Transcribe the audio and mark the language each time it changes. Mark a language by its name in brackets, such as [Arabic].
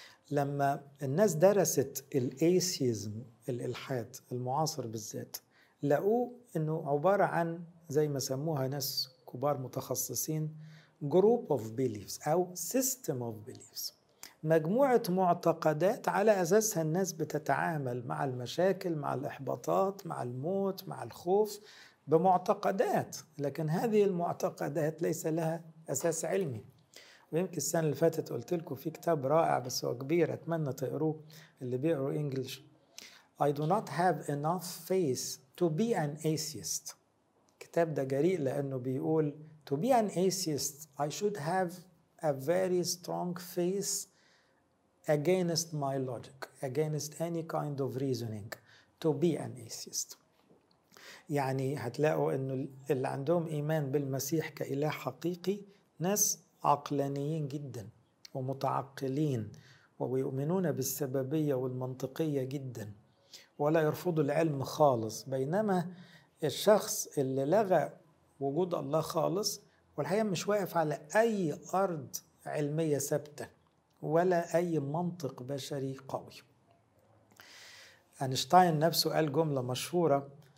[Arabic] لما الناس درست الايسيزم الالحاد المعاصر بالذات لقوا انه عبارة عن زي ما سموها ناس كبار متخصصين [English] group of beliefs [Arabic] او [English] system of beliefs، [Arabic] مجموعة معتقدات على اساسها الناس بتتعامل مع المشاكل، مع الاحباطات، مع الموت، مع الخوف بمعتقدات، لكن هذه المعتقدات ليس لها اساس علمي. ويمكن السنة اللي فاتت قلت لكم في كتاب رائع بس هو كبير اتمنى تقروه اللي بيقروا انجلش، [English] I do not have enough faith to be an atheist. [Arabic] كتاب ده جريء لأنه بيقول [English] to be an atheist I should have a very strong faith against my logic, against any kind of reasoning to be an atheist. [Arabic] يعني هتلاقوا أنه اللي عندهم إيمان بالمسيح كإله حقيقي ناس عقلانيين جدا ومتعقلين ويؤمنون بالسببية والمنطقية جدا ولا يرفضوا العلم خالص، بينما الشخص اللي لغى وجود الله خالص والحقيقة مش واقف على أي أرض علمية ثابتة ولا أي منطق بشري قوي. أينشتاين نفسه قال جملة مشهورة